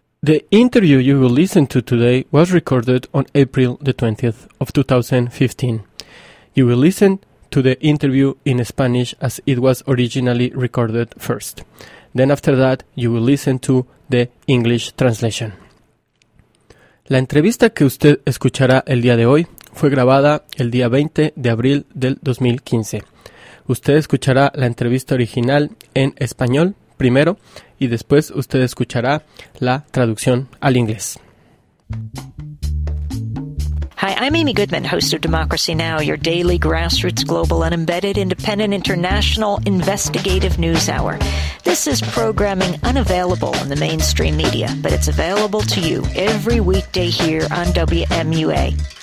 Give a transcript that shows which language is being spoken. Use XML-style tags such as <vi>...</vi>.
<en>The interview you will listen to today was recorded on April the 20th of 2015. You will listen to the interview in Spanish as it was originally recorded first. Then after that, you will listen to the English translation.</en> <es>La entrevista que usted escuchará el día de hoy fue grabada el día 20 de abril del 2015. Usted escuchará la entrevista original en español primero y después usted escuchará la traducción al inglés.</es> <en>Hi, I'm Amy Goodman, host of Democracy Now!, your daily grassroots global and embedded independent international investigative news hour. This is programming unavailable in the mainstream media, but it's available to you every weekday here on WMUA.</en>